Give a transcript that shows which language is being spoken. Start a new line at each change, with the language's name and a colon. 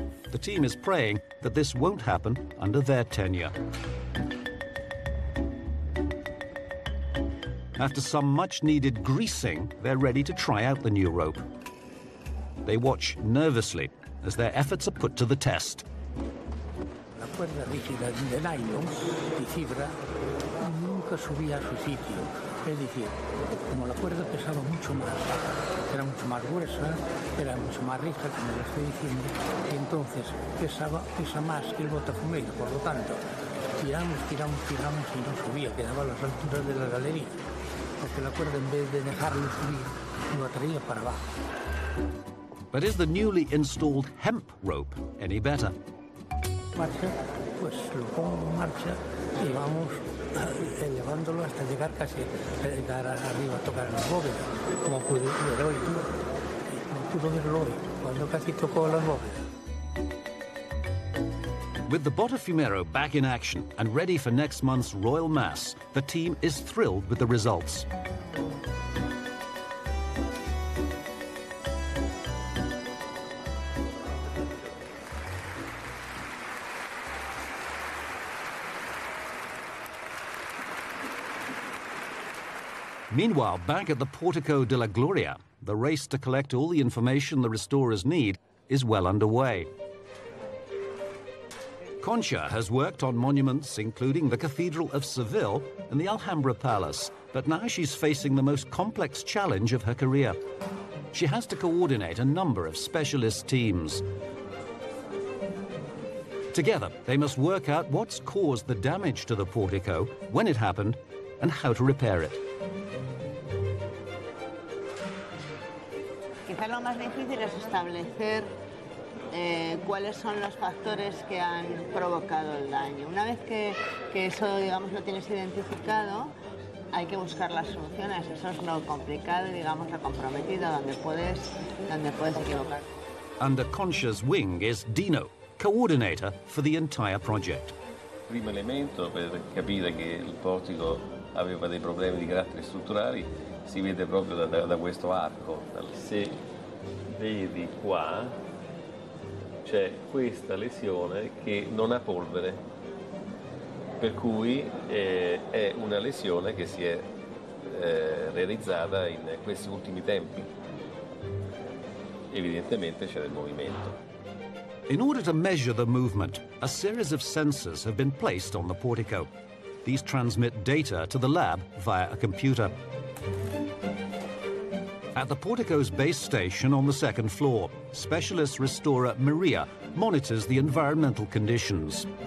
English: The team is praying that this won't happen under their tenure. After some much-needed greasing, they're ready to try out the new rope. They watch nervously as their efforts are put to the test.
Spanish: La cuerda rígida de nylon, de fibra, nunca subía a su sitio. Es decir, como la cuerda pesaba mucho más, era mucho más gruesa, era mucho más rígida, como lo estoy diciendo, y entonces pesa más que el botafumeiro. Por lo tanto, tiramos y no subía, quedaba a las alturas de la galería, porque la cuerda, en vez de dejarlo subir, lo atraía para abajo.
English: But is the newly installed hemp rope any better?
Spanish: Marcha, pues lo pongo en marcha y vamos elevándolo hasta llegar casi arriba, tocar las bóvedas, como pude ver hoy, cuando casi tocó las bóvedas.
English: With the Botafumeiro back in action and ready for next month's Royal Mass, the team is thrilled with the results. Meanwhile, back at the Portico de la Gloria, the race to collect all the information the restorers need is well underway. Concha has worked on monuments including the Cathedral of Seville and the Alhambra Palace, but now she's facing the most complex challenge of her career. She has to coordinate a number of specialist teams. Together, they must work out what's caused the damage to the portico, when it happened, and how to repair it.
Spanish: Quizás lo más difícil es establecer cuáles son los factores que han provocado el daño. Una vez que eso, digamos, lo tienes identificado, hay que buscar las soluciones. Eso es lo complicado, digamos, lo comprometido, donde puedes equivocar.
English: Under Concha's wing is Dino, coordinator for the entire project.
Italian: Primo elemento per capire che il portico aveva dei problemi di carattere strutturali. Si vede proprio da questo arco. Se vedi qua, c'è questa lesione che non ha polvere, per cui è una lesione che si è realizzata in questi ultimi tempi. Evidentemente c'è del movimento.
English: In order to measure the movement, a series of sensors have been placed on the portico. These transmit data to the lab via a computer. At the portico's base station on the second floor, specialist restorer Maria monitors the environmental conditions.